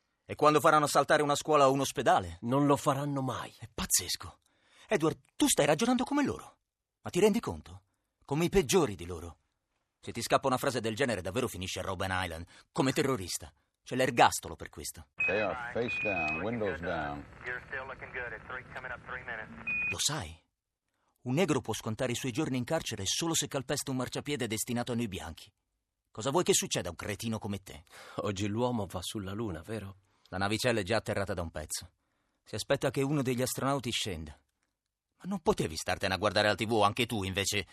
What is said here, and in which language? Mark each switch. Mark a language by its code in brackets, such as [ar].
[it] E quando faranno saltare una scuola o un ospedale? Non lo faranno mai. È pazzesco. Edward, tu stai ragionando come loro. Ma ti rendi conto? Come i peggiori di loro. Se ti scappa una frase del genere, davvero finisci a Robben Island, come terrorista. C'è l'ergastolo per questo. [en] They are face down, windows down. You're still looking good. It's three, coming up 3 minutes. [it] Lo sai? Un negro può scontare i suoi giorni in carcere solo se calpesta un marciapiede destinato a noi bianchi. Cosa vuoi che succeda a un cretino come te? Oggi l'uomo va sulla luna, vero? La navicella è già atterrata da un pezzo. Si aspetta che uno degli astronauti scenda. Non potevi startene a guardare la TV anche tu, invece?